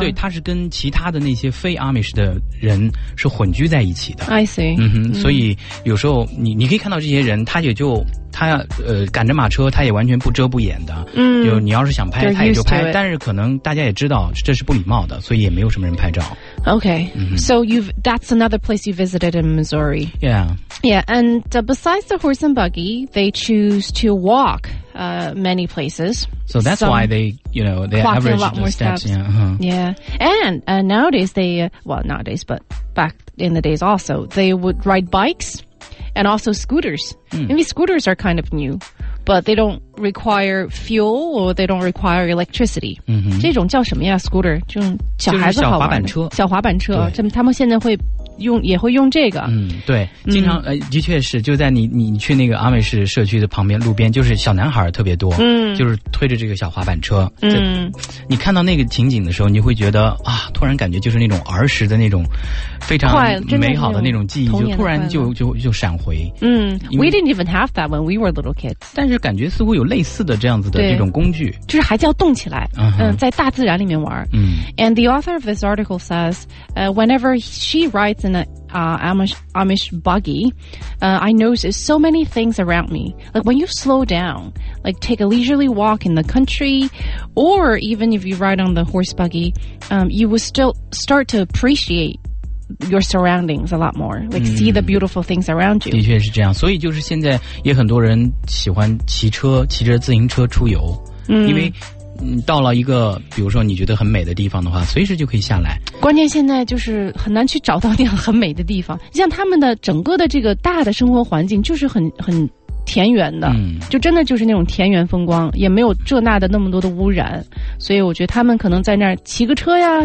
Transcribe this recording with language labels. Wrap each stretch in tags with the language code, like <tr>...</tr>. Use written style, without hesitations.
<zh>对它是跟其他的那些非 Amish 的人是混居在一起的。</zh> <en>I see.</en> <zh>所以有时候你可以看到这些人他也就他赶着马车他也完全不遮不掩的就你要是想拍他也就拍但是可能大家也知道这是不礼貌的所以也没有什么人拍照</zh> <en>Okay, so that's another place you visited in Missouri Yeah, and besides the horse and buggy they choose to walk many places So that's why they, you know, they average a lot more steps. Yeah, and nowadays they, well nowadays but back in the days also they would ride bikes and also scooters. Maybe scooters are kind of new. but they don't require fuel or they don't require electricity.</en> <zh>这种叫什么呀 ,scooter? 这种小孩子好玩的。小滑板车。小滑板车。这他们现在会用也会用这个。嗯对。经常的确是就在你去那个阿美市社区的旁边路边就是小男孩特别多。嗯就是推着这个小滑板车。嗯你看到那个情景的时候你会觉得啊突然感觉就是那种儿时的那种非常美好的那种记忆就突然就闪回。</zh> <en>嗯 ,we didn't even have that when we were little kids.</en> <zh>但是感觉似乎有类似的这样子的这种工具。就是还叫动起来、 uh-huh. 在大自然里面玩。嗯</zh> <en>,and the author of this article says,whenever she rides in an Amish buggy, I notice so many things around me. Like when you slow down, like take a leisurely walk in the country, or even if you ride on the horse buggy, you will still start to appreciate your surroundings a lot more. Like see the beautiful things around you.</en> <zh>的确是这样。所以就是现在也很多人喜欢骑车，骑着自行车出游，因为到了一个比如说你觉得很美的地方的话随时就可以下来关键现在就是很难去找到那样很美的地方像他们的整个的这个大的生活环境就是很田园的、就真的就是那种田园风光也没有这那的那么多的污染所以我觉得他们可能在那儿骑个车呀</zh>